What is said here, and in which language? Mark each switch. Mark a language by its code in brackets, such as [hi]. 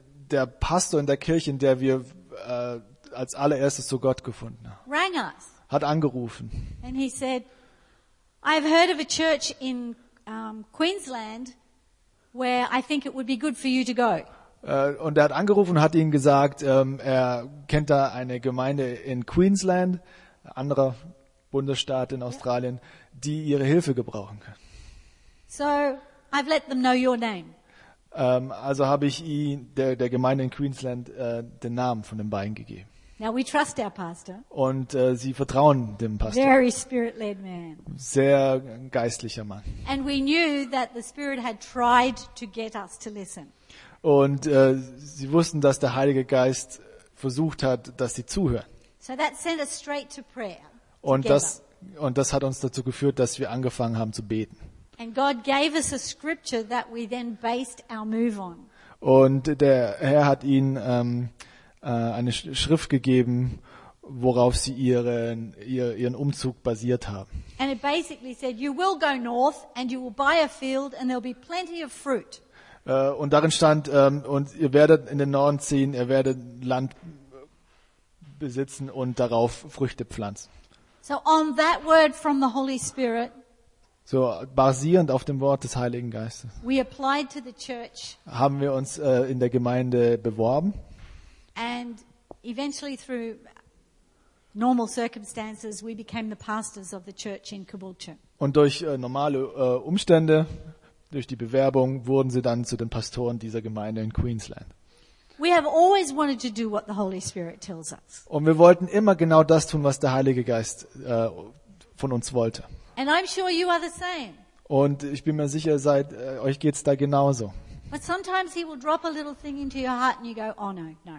[de] Der Pastor in der Kirche, in der wir als allererstes zu Gott gefunden haben, [en] rang us. [de] Hat angerufen. [en] And he said, I've heard of a church in Queensland where I think it would be good for you to go. [de] Und er hat angerufen und hat ihnen gesagt, er kennt da eine Gemeinde in Queensland, ein anderer Bundesstaat in Australien, die ihre Hilfe gebrauchen kann. [en] So, I've let them know your name. [de] Also habe ich ihm, der Gemeinde in Queensland, den Namen von den beiden gegeben. [en] Now we trust our pastor. [de] Und sie vertrauen dem Pastor. [en] Very spirit-led man. [de] Sehr geistlicher Mann. [en] And we knew that the Spirit had tried to get us to listen. [de] Und sie wussten, dass der Heilige Geist versucht hat, dass sie zuhören. [en] So that sent us straight to prayer. [de] Und das hat uns dazu geführt, dass wir angefangen haben zu beten. [en] And God gave us a scripture that we then based our move on. [de] Und der Herr hat ihnen eine Schrift gegeben, worauf sie ihren Umzug basiert haben. [en] And it basically said, you will go north and you will buy a field and there'll be plenty of fruit. [de] Und darin stand, und ihr werdet in den Norden ziehen, ihr werdet Land besitzen und darauf Früchte pflanzen. [en] So on that word from the Holy Spirit, [de] so basierend auf dem Wort des Heiligen Geistes, [en] we applied to the church, [de] haben wir uns in der Gemeinde beworben. [en] And eventually through normal circumstances we became the pastors of the church in Caboolture. [de] Und durch normale Umstände, durch die Bewerbung, wurden sie dann zu den Pastoren dieser Gemeinde in Queensland. [en] We have always wanted to do what the Holy Spirit tells us. [de] Und wir wollten immer genau das tun, was der Heilige Geist von uns wollte. [en] And I'm sure you are the same. [de] Und ich bin mir sicher, seid euch geht's da genauso. [en] But sometimes he will drop a little thing into your heart and you go, oh no.